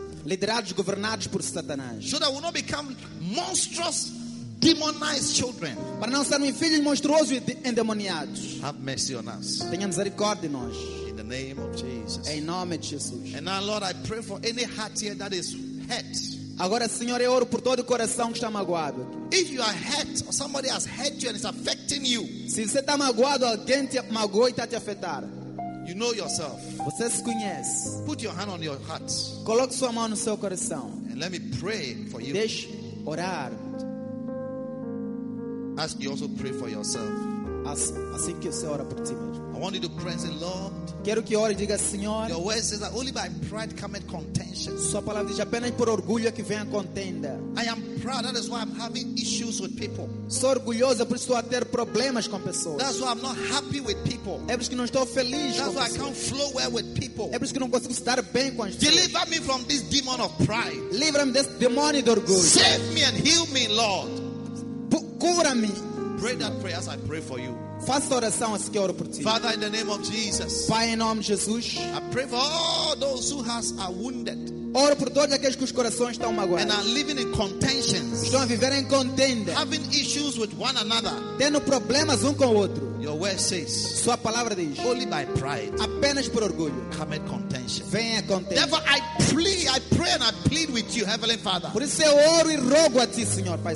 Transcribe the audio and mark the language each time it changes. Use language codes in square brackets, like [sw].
[pt] Liderados e governados por Satanás. [en] So that we not become monstrous, demonized children. [pt] Para não sermos filhos monstruosos e endemoniados. [en] Have mercy on us. [pt] Tenha misericórdia de nós. [en] In the name of Jesus. [pt] Em nome de Jesus. [en] And now, Lord, I pray for any heart here that is hurt. [pt] Agora, Senhor, eu oro por todo o coração que está magoado. [en] If you are hurt, or somebody has hurt you and it's affecting you. [pt] Se você está magoado, alguém te magoou e está te afetar. [en] You know yourself. [pt] Você se conhece. [en] Put your hand on your heart. [pt] Coloque sua mão no seu coração. [en] And let me pray for you. [pt] Deixe orar. [en] As you also pray for yourself. [pt] Assim que você ora por ti mesmo. [en] I want you to pray and say, Lord. [pt] Quero que ore e diga, Senhor. [en] Your word says that only by pride cometh contention. [pt] Sua palavra diz apenas por orgulho que vem a contenda. [en] I am proud. That is why I'm having issues with people. [pt] Sou orgulhoso, por isso estou a ter problemas com pessoas. [en] That's why I'm not happy with people. [pt] É por isso que não estou feliz. [en] That's why I can't flow well with people. [pt] É por isso que não consigo estar bem com as pessoas. [en] Deliver me from this demon of pride. [pt] Livra-me desse demônio de orgulho. [en] Save me and heal me, Lord. [pt] Cura-me. [en] Pray that prayer as I pray for you. [pt] Faça oração assim que eu oro por ti. [en] Father, in the name of Jesus. [pt] Pai, em nome de Jesus. [en] I pray for all those who are wounded. [pt] Oro por todos aqueles cujos corações estão magoados. [en] And are living in contentions. [pt] Estão a viver em contenda. [en] Having issues with one another. [pt] Tendo problemas com o outro. [en] Your word says. [pt] Sua palavra diz. [en] Only by pride. [pt] Apenas por orgulho. [en] Come at contention. [pt] Vem a contenda. [en] Therefore, I pray and I plead with you, Heavenly Father. [pt] Por isso eu oro e rogo a ti, Senhor Pai.